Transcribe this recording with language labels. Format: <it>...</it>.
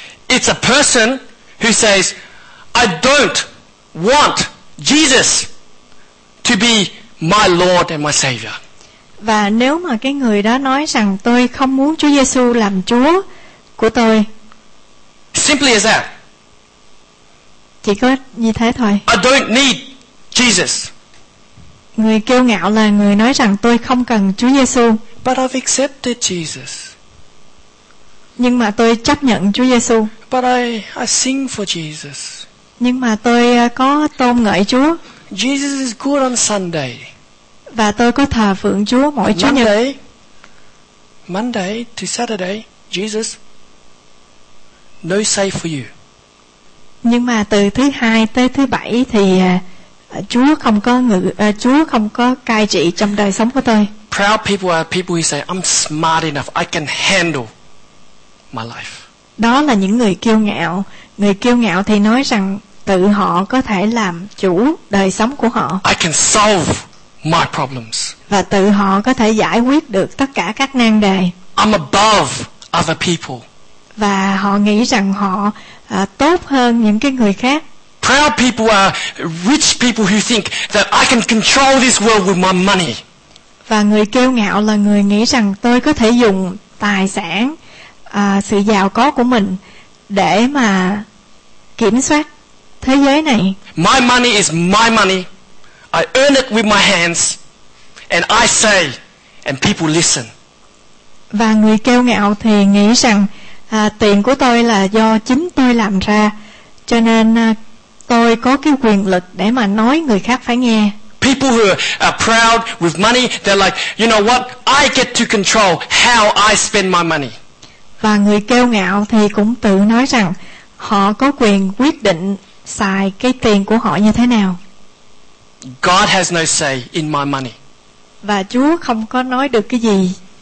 <en>It's a person who says, I don't want Jesus to be my Lord and my Savior.</en> <vi>Và nếu mà cái người đó nói rằng tôi không muốn Chúa Giêsu làm Chúa của tôi,</vi> <en>Simply as that.</en> <vi>Chỉ có như thế thôi.</vi> <en>I don't need Jesus.</en> <vi>Người kiêu ngạo là người nói rằng tôi không cần Chúa Giê-xu.</vi> <en>But I've accepted Jesus.</en> <vi>Nhưng mà tôi chấp nhận Chúa Giê-xu.</vi> <en>But I sing for Jesus.</en> <vi>Nhưng mà tôi có tôn ngợi Chúa.</vi> <en>Jesus is good on Sunday.</en> <vi>Và tôi có thờ phượng Chúa mỗi Chúa Nhật.</vi> <en>Monday to Saturday, Jesus, no say for you.</en> <vi>Nhưng mà từ thứ hai tới thứ bảy thì Chúa không có ngự, Chúa không có cai trị trong đời sống của tôi.</vi> <en>Proud people are people who say, I'm smart enough, I can handle my life.</en> <vi>Đó là những người kiêu ngạo. Người kiêu ngạo thì nói rằng tự họ có thể làm chủ đời sống của họ.</vi> <en>I can solve my problems.</en> <vi>Và tự họ có thể giải quyết được tất cả các nan đề.</vi> <en>I'm above other people.</en> <vi>Và họ nghĩ rằng họ tốt hơn những cái người khác.</vi> <en>Proud people are rich people who think that I can control this world with my money.</en> <vi>Và người kiêu ngạo là người nghĩ rằng tôi có thể dùng tài sản, sự giàu có của mình để mà kiểm soát thế giới này.</vi> <en>My money is my money. I earn it with my hands and I say and people listen.</en> <vi>Và người kiêu ngạo thì nghĩ rằng tiền của tôi là do chính tôi làm ra, cho nên tôi có cái quyền lực để mà nói người khác phải nghe.</vi> <en>People who are proud with money, they're like, you know what? I get to control how I spend my money.</en> <vi>Và người kiêu ngạo thì cũng tự nói rằng họ có quyền quyết định xài cái tiền của họ như thế nào.</vi> <en>God has no say in my money.</en> <vi>Và Chúa không có nói được cái gì.</vi>